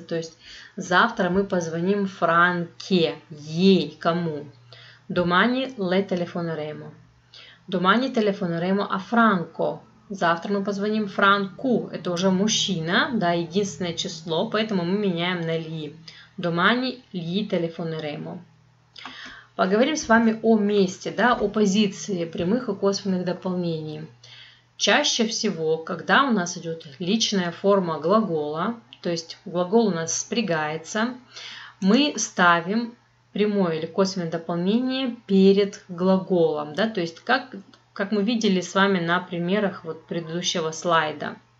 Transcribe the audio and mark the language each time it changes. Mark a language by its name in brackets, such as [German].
[Russian] То есть завтра мы позвоним Франке, ей, кому? [Italian] Domani le telefoneremo. Domani telefoneremo a Franco. [Russian] Завтра мы позвоним Франку, это уже мужчина, да, единственное число, поэтому мы меняем на ли. [Italian] Domani gli telefoneremo. [Russian] Поговорим с вами о месте, да, о позиции прямых и косвенных дополнений. Чаще всего, когда у нас идет личная форма глагола, то есть глагол у нас спрягается, мы ставим прямое или косвенное дополнение перед глаголом, да, то есть как мы видели с вами на примерах вот предыдущего слайда.